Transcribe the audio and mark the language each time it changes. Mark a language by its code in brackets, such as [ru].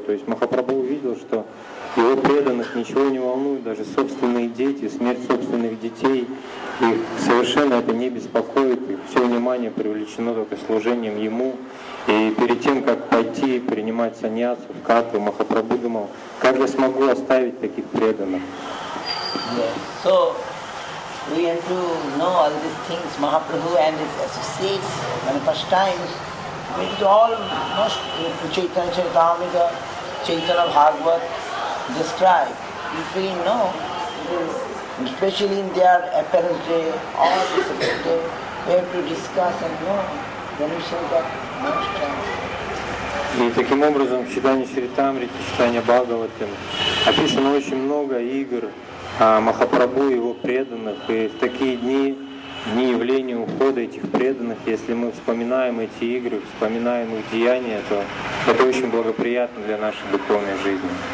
[ru] То есть Махапрабху увидел, что его преданных ничего не волнует, даже собственные дети, смерть собственных детей, их совершенно это не беспокоит, их все внимание привлечено только служением ему. И перед тем, как пойти принимать саньясу в Катву, Махапрабху думал, как я смогу оставить таких преданных. [en] Yes. So, we have to know all these things, Mahaprabhu and his associates, and first times, it is all most Chaitanya Charitamrita, Chaitanya Bhagavat, describe. If we know, especially in their apparent day, all this day, we have to discuss and know, then we shall get much time. [ru] И таким образом, в Чайтанья Чаритамрите, в Чайтанья Бхагаватам, Описано очень много игр Махапрабху и его преданных, и в такие дни, дни явления ухода этих преданных, если мы вспоминаем эти игры, вспоминаем их деяния, то это очень благоприятно для нашей духовной жизни.